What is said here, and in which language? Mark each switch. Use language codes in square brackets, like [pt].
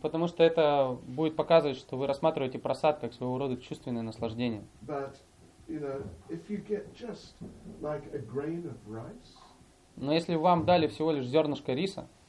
[ru] Потому что это будет показывать, что вы рассматриваете просад как своего рода чувственное наслаждение. [en] But you know, if you get just like a grain of rice. [ru] Но если вам дали всего лишь зернышко риса,